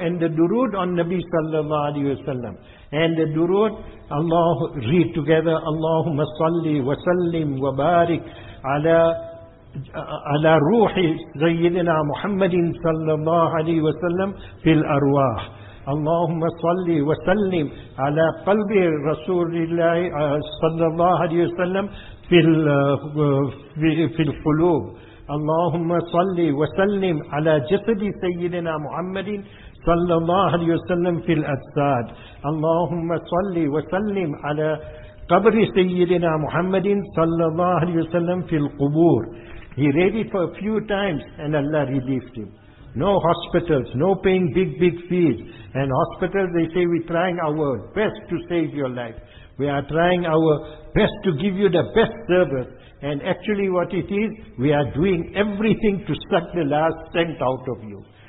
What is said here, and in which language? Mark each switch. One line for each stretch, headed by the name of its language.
English: And the durood on Nabi sallallahu alaihi wasallam, and the durood, Allah read together,
Arabic: Allahumma salli wa sallim wa barik ala على روح سيدنا محمد صلى الله عليه وسلم في الأرواح. اللهم صل وسلم على قلب رسول الله صلى الله عليه وسلم في القلوب. اللهم صل وسلم على جسد سيدنا محمد صلى الله عليه وسلم في الأجساد. اللهم صل وسلم على قبر سيدنا محمد صلى الله عليه وسلم في القبور.
English: He read it for a few times and Allah relieved him. No hospitals, no paying big fees. And hospitals, they say, we're trying our best to save your life. We are trying our best to give you the best service. And actually what it is, we are doing everything to suck the last cent out of you.